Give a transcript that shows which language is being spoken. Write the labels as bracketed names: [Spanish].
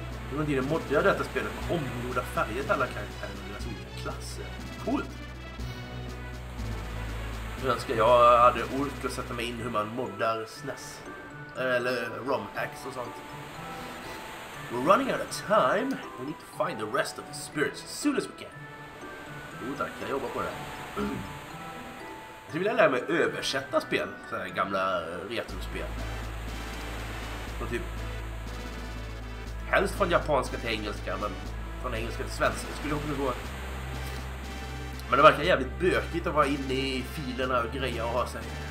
[Swedish] Det var dina moddiga detta spelet med omgjorda färger till alla karaktärer och deras olika klasser. Coolt! Önskar jag hade ork att sätta mig in hur man moddar SNES eller ROM-hacks och sånt. [English] We're running out of time. We need to find the rest of the spirits as soon as we can. [Swedish] Oh, tack. Jag jobbar på det. Jag vill lära mig översätta spel. Sådana gamla retrospel. Så typ... Helst från japanska till engelska, men från engelska till svenska. Det skulle också gå... Men det verkar jävligt bökigt att vara inne i filerna och grejer och ha sig.